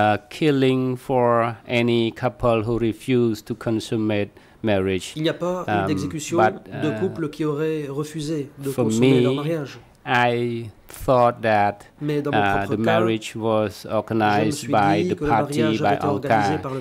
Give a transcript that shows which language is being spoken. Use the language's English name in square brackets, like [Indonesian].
[English] killing for any couple who refuse to consummate marriage. [French] Il n'y a pas d'exécution de couple qui aurait refusé de consommer leur mariage. [English] I thought that the marriage was organized by the party, by Oka.